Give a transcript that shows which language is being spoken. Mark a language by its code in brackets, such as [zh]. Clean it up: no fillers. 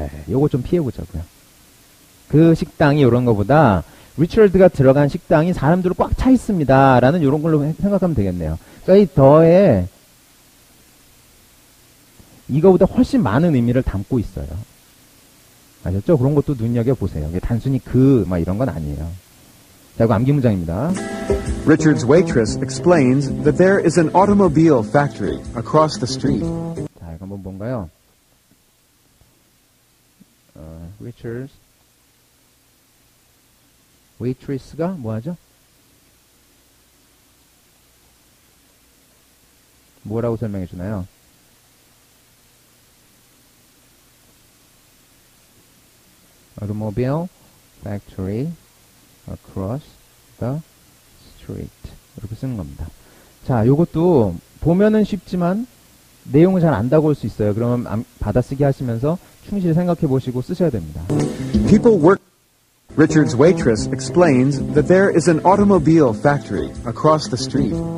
[ko] 요거 좀 피해보자고요. 그 식당이 이런 거보다, 리처드가 들어간 식당이 사람들을 꽉 차 있습니다. 라는 이런 걸로 생각하면 되겠네요. 그러니까 이 the에, 이거보다 훨씬 많은 의미를 담고 있어요. 아셨죠? 그런 것도 눈여겨보세요. 단순히 막 이런 건 아니에요. 자, 이거 암기 문장입니다. [en] Richard's waitress explains that there is an automobile factory across the street. [ko] 자, 이거 한번 뭔가요? [en] Richard's waitress [ko] 가 뭐하죠? 뭐라고 설명해 주나요? 오토모빌 팩토리 [en] across the street [ko] 이렇게 쓰는 겁니다. 자, 요것도 보면은 쉽지만 내용을 잘 안다고 할 수 있어요. 그러면 받아쓰기 하시면서 충실히 생각해 보시고 쓰셔야 됩니다. [en] People work. Richard's waitress explains that there is an automobile factory across the street.